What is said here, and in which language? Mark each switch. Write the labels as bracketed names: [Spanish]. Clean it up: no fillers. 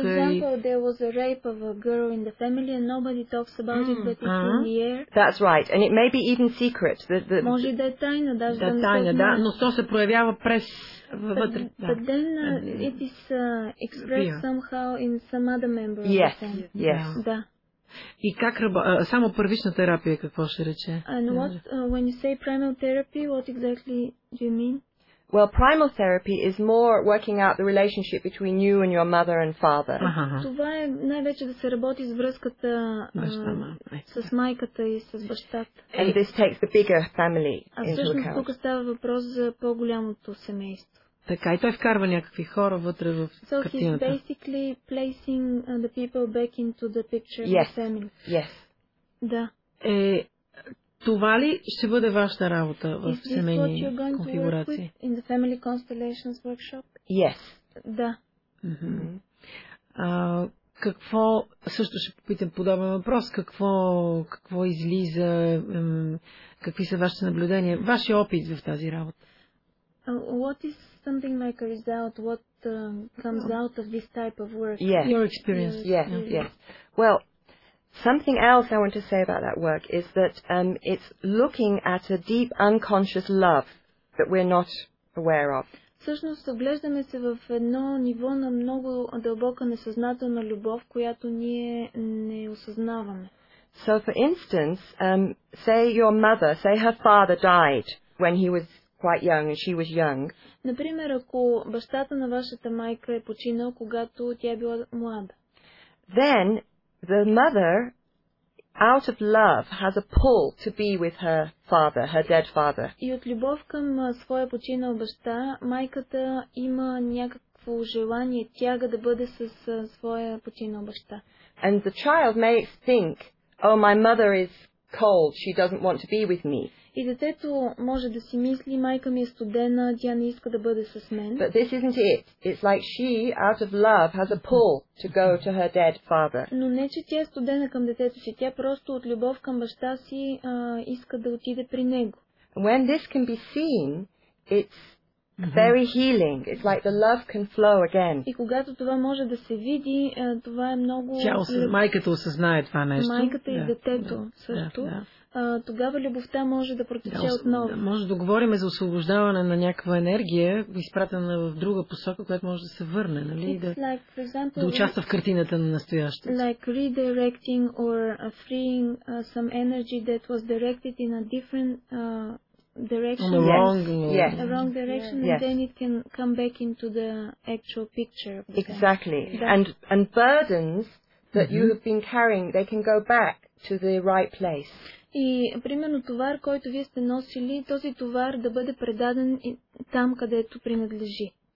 [English] For example, there was a rape of a girl in the family and nobody talks about it, but it's in the air. That's right. And it may be even secret. The... [Bulgarian] Може да е тайна, даже да не е тайна, да, но то се проявява през вътре. [English] But then it is expressed somehow in some other member of the family. Yes, yes. [Bulgarian] Да. И как само първична терапия, какво ще рече? [English] And what, when you say primal therapy, what exactly do you mean? Well, primal therapy is more working out the relationship between you and your mother and father. [Bulgarian] Това е най-вече да се работи с връзката с майката и с бащата. [English] And this takes the bigger family into account. [Bulgarian] А всъщност тук става въпрос за по-голямото семейство. Така, и той вкарва някакви хора вътре в картината. [English] So [Bulgarian] картината. [English] He's basically placing the people back into the picture yes. of the family. Yes. [Bulgarian] Да. Това ли ще бъде вашата работа в семейни конфигурации? [English] In the family constellations workshop? Yes. [Bulgarian] Да. Какво, също ще попитам подобен въпрос, какво излиза, какви са вашите наблюдения, вашия опит в тази работа? [English] What is something like a result? What comes out of this type of work? Yes. Your experience. Yes, yes. Well, something else I want to say about that work is that it's looking at a deep unconscious love that we're not aware of. [Bulgarian] Всъщност, оглеждаме се в едно ниво на много дълбока несъзнателна любов, която ние не осъзнаваме. [English] So, for instance, say your mother, say her father died when he was quite young and she was young. [Bulgarian] Например, ако бащата на вашата майка е починал, когато тя била млада. [English] Then the mother, out of love, has a pull to be with her father, her dead father. [Bulgarian] И от любов към своя починал баща, майката има някакво желание, тяга да бъде с своя починал баща. [English] And the child may think, oh, my mother is cold, she doesn't want to be with me. [Bulgarian] И детето може да си мисли, майка ми е студена, тя не иска да бъде с мен. [English] But this isn't it. It's like she, out of love, has a pull to go to her dead father. [Bulgarian] Но не, че тя е студена към детето си, тя просто от любов към баща си иска да отиде при него. [English] When this can be seen, it's very healing. It's like the love can flow again. [Bulgarian] И когато това може да се види, това е много... Майката осъзнае това нещо. Майката и детето също. Тогава любовта може да протече отново. Може да говорим за освобождаване на някаква енергия, изпратена в друга посока, която може да се върне, нали? Да участва в картината на настоящето. [English] Like redirecting or freeing some energy that was directed in a different... direction, the wrong, yes. A wrong direction, yes. And then it can come back into the actual picture. Exactly. And burdens that you have been carrying, they can go back to the right place. [Bulgarian] И, примерно, товар, който вие сте носили, този товар да бъде предаден там, където принадлежи.